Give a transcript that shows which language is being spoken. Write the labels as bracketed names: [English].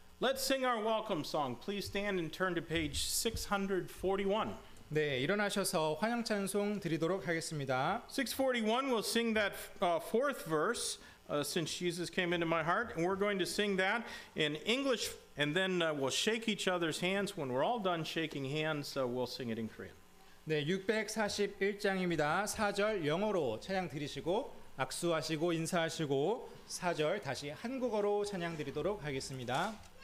[English] Let's sing our welcome song. Please stand and turn to page 641. [Korean] 네, 일어나셔서 환영 찬송 드리도록 하겠습니다. [English] 641, we'll sing that fourth verse, since Jesus came into my heart, and we're going to sing that in English, and then we'll shake each other's hands. When we're all done shaking hands, we'll sing it in Korean. [Korean] 네, 641장입니다. 4절 영어로 찬양 드리시고 악수하시고 인사하시고 4절 다시 한국어로 찬양 드리도록 하겠습니다.